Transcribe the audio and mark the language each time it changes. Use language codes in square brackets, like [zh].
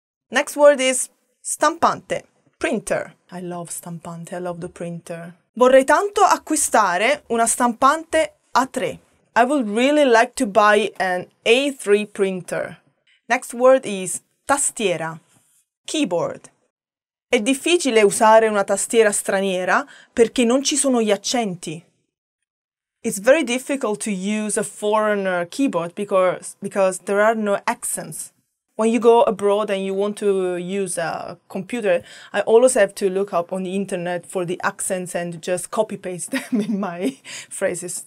[en] Next word is stampante, printer. I love stampante, I love the printer. [it] Vorrei tanto acquistare una stampante A3. [en] I would really like to buy an A3 printer. Next word is tastiera, keyboard. [it] È difficile usare una tastiera straniera perché non ci sono gli accenti. [en] It's very difficult to use a foreigner keyboard because there are no accents. When you go abroad and you want to use a computer, I always have to look up on the internet for the accents and just copy-paste them in my phrases.